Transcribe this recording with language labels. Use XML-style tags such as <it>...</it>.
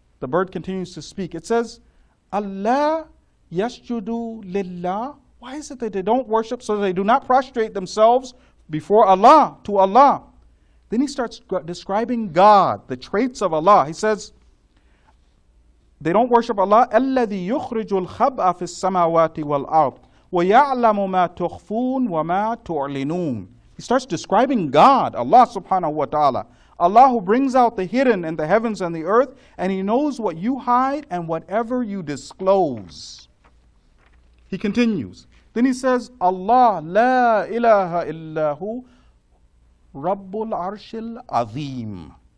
<en>The bird continues to speak. It says, Allah</en> <ar>yasjudu lillah.</ar> <en>Why is it that they don't worship so they do not prostrate themselves before Allah, to Allah? Then he starts describing God, the traits of Allah. He says, they don't worship Allah.</en> <ar>الَّذِي يُخْرِجُ الْخَبْءَ فِي السَّمَاوَاتِ وَالْأَرْضِ وَيَعْلَمُ مَا تُخْفُونَ وَمَا تُعْلِنُونَ</ar> <en>He starts describing God, Allah subhanahu wa ta'ala. Allah who brings out the hidden in the heavens and the earth, and he knows what you hide and whatever you disclose. He continues. Then he says,</en> <ar>Allah, la ilaha illahu, rabbul arshil azim.</ar>